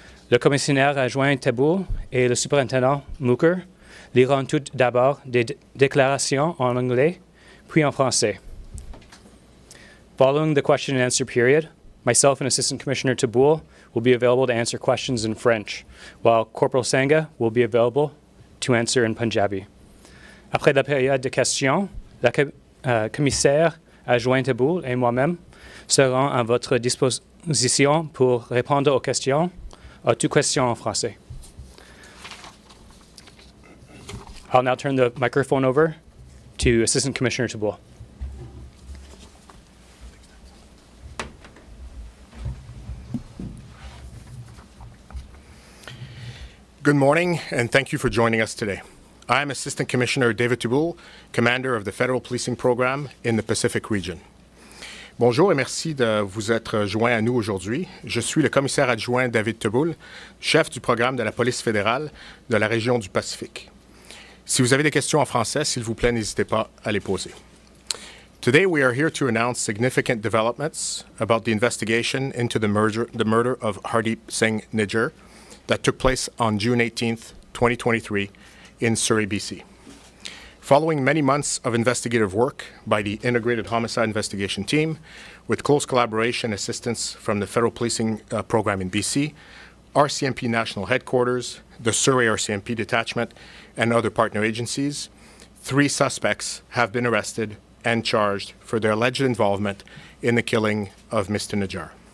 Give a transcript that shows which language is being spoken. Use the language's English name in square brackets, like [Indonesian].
[French] Le commissaire adjoint Tabool et le superintendent Mukher liront tout d'abord des déclarations en anglais, puis en français. [English] Following the question and answer period, myself and Assistant Commissioner Tabool will be available to answer questions in French, while Corporal Sangha will be available to answer in Punjabi. [French] Après la période de questions, la commissaire adjoint Tabool et moi-même serons à votre disposition pour répondre aux questions, à toutes questions en français. [English] I'll now turn the microphone over to Assistant Commissioner Tabool. Good morning, and thank you for joining us today. I am Assistant Commissioner David Tabool, Commander of the Federal Policing Program in the Pacific Region. [French] Bonjour et merci de vous être joint à nous aujourd'hui. Je suis le commissaire adjoint David Tabool, chef du programme de la police fédérale de la région du Pacifique. Si vous avez des questions en français, s'il vous plaît, n'hésitez pas à les poser. [English] Today we are here to announce significant developments about the investigation into the murder of Hardeep Singh Nijjar that took place on June 18th, 2023 in Surrey, BC. Following many months of investigative work by the Integrated Homicide Investigation Team, with close collaboration and assistance from the Federal Policing Program in BC, RCMP National Headquarters, the Surrey RCMP Detachment, and other partner agencies, three suspects have been arrested and charged for their alleged involvement in the killing of Mr. Nijjar.